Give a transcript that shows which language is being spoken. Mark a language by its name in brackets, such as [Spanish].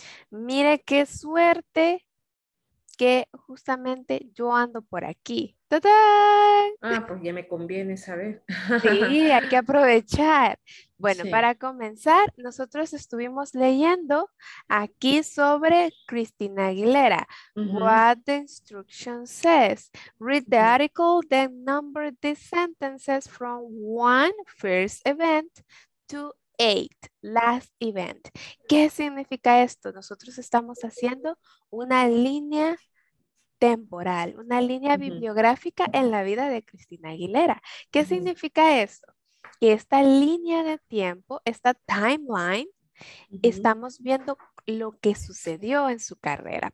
[Spanish] Mire qué suerte que justamente yo ando por aquí. ¡Tadán! Ah, pues ya me conviene saber. Sí, hay que aprovechar. Bueno, Sí. para comenzar, nosotros estuvimos leyendo aquí sobre Christina Aguilera. [English] What the instruction says. Read the article, then number the sentences from one first event to eight, last event. [Spanish] ¿Qué significa esto? Nosotros estamos haciendo una línea temporal, una línea bibliográfica en la vida de Cristina Aguilera. ¿Qué significa eso? Que esta línea de tiempo, esta timeline, estamos viendo lo que sucedió en su carrera.